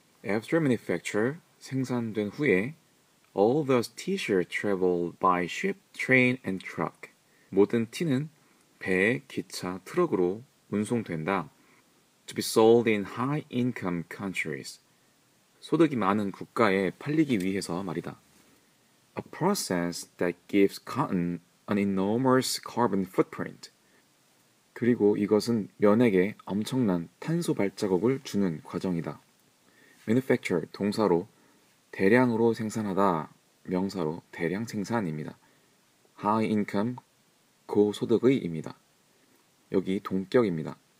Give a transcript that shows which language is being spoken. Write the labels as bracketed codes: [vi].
[en] After manufacture, [ko] 생산된 후에 [en] all those t-shirts travel by ship, train, and truck. [ko] 모든 티는 배, 기차, 트럭으로 운송된다. [en] To be sold in high-income countries. [ko] 소득이 많은 국가에 팔리기 위해서 말이다. [en] A process that gives cotton an enormous carbon footprint. [ko] 그리고 이것은 면에게 엄청난 탄소 발자국을 주는 과정이다. Manufacture, 동사로 대량으로 생산하다, 명사로 대량 생산입니다. High income, 고소득의입니다. 여기 동격입니다.